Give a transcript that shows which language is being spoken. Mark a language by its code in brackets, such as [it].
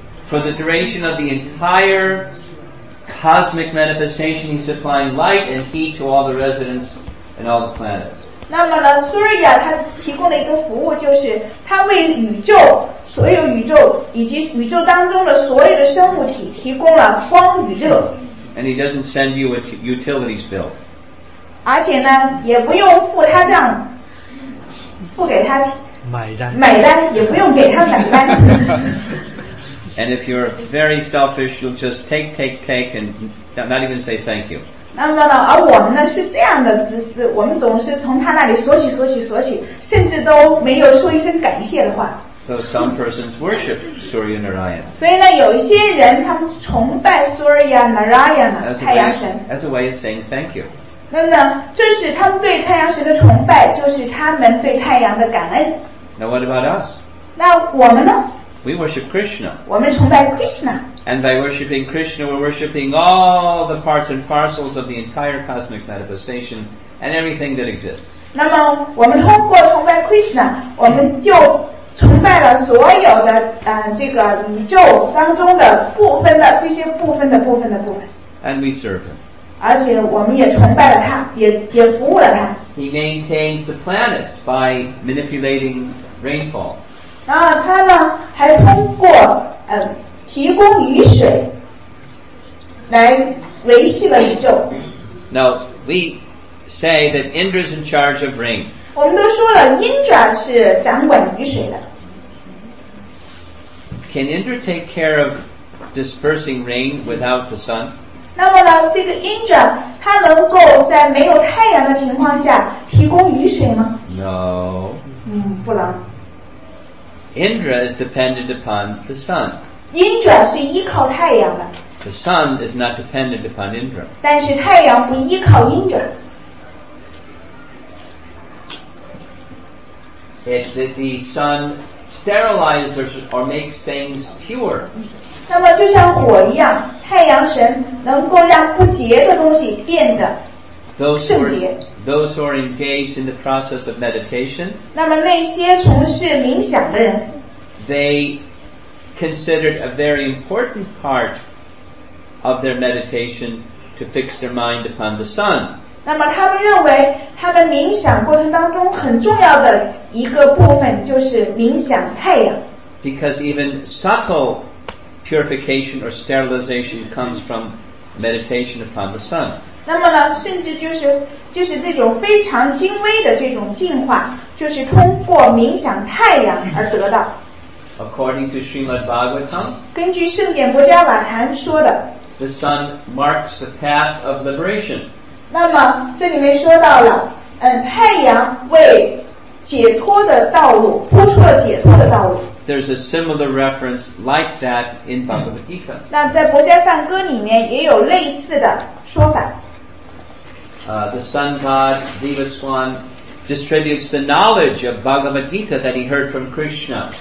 [en] For the duration of the entire cosmic manifestation, he's supplying light and heat to all the residents and all the planets. [zh] 那么呢 ，Surya 它提供了一个服务，就是它为宇宙所有宇宙以及宇宙当中的所有的生物体提供了光与热。 [en] And he doesn't send you a utilities bill. [zh] 而且呢，也不用付他账，不给他买单，也不用给他买单。 [en] And if you're very selfish, you'll just take, and not even say thank you. [zh] 那么呢，而我们呢是这样的自私，我们总是从他那里索取，甚至都没有说一声感谢的话。 [en] So some persons worship Surya Narayan. [zh] 所以呢，有一些人他们崇拜 Surya Narayan 太阳神 [en] as a way of saying thank you. [zh] 那么这是他们对太阳神的崇拜，就是他们对太阳的感恩。 [en] Now what about us? [zh] 那我们呢？ [en] We worship Krishna. [zh] 我们崇拜 Krishna. [en] And by worshiping Krishna, we're worshiping all the parts and parcels of the entire cosmic manifestation and everything that exists. [zh] 那么我们通过崇拜 Krishna, 我们就崇拜了所有的这个宇宙当中的部分的这些部分的部分的部分。 [en] And we serve him. [zh] 而且我们也崇拜了他，也服务了他。 [en] He maintains the planets by manipulating rainfall. [zh] 然后他呢，还通过提供雨水来维系了宇宙。 [en] Now we say that Indra is in charge of rain. [zh] 我们都说了 ，Indra 是掌管雨水的。 [en] Can Indra take care of dispersing rain without the sun? [zh] 那么呢，这个 Indra 它能够在没有太阳的情况下提供雨水吗 [en] ？No. [zh] 不能。 [en] Indra is dependent upon the sun. [zh] Indra 是依靠太阳的。 [en] The sun is not dependent upon Indra. [zh] 但是太阳不依靠 Indra. [en] It's that the sun sterilizes or makes things pure. [zh] 那么就像火一样，太阳神能够让不洁的东西变得圣洁。 [en] Those who are engaged in the process of meditation, [zh] 那么那些从事冥想的人 [en] ，they considered a very important part of their meditation to fix their mind upon the sun. [zh] 那么他们认为他们冥想过程当中很重要的一个部分就是冥想太阳。 [en] Because even subtle. Purification or sterilization comes from meditation upon the sun. [zh] 那么呢，甚至就是这种非常精微的这种净化，就是通过冥想太阳而得到。 [en] according to Srimad Bhagavatam, [zh] 根据圣典国家晚谈说的, [en] the sun marks the path of liberation. [zh] 那么这里面说到了，太阳为解脱的道路铺出了解脱的道路。 [en] There's a similar reference like that in Bhagavad Gita. [zh] 那在国家赞歌里面也有类似的说法。 [en] The sun god Devaswan distributes the knowledge of Bhagavad Gita that he heard from Krishna.